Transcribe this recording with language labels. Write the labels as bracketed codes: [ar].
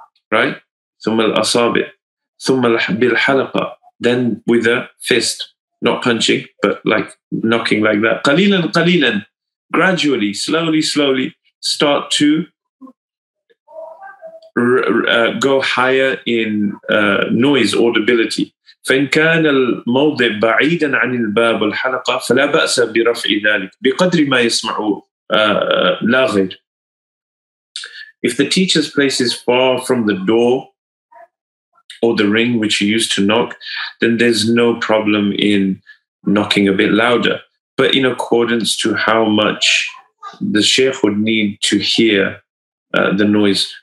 [en] Right? [ar] ثُمَّ الْأَصَابِ. ثُمَّ بِالْحَلَقَ. [en] Then with a fist. Not punching, but like knocking like that. [ar] قَلِيلًا قَلِيلًا. [en] Gradually, slowly, slowly, start to go higher in noise, audibility. [ar] فإن كان الموضع بعيدا عن الباب والحلقة فلا بأس برفع ذلك بقدر ما يسمعه لا غير. [en] If the teacher's place is far from the door or the ring which he used to knock, then there's no problem in knocking a bit louder, but in accordance to how much the sheikh would need to hear the noise.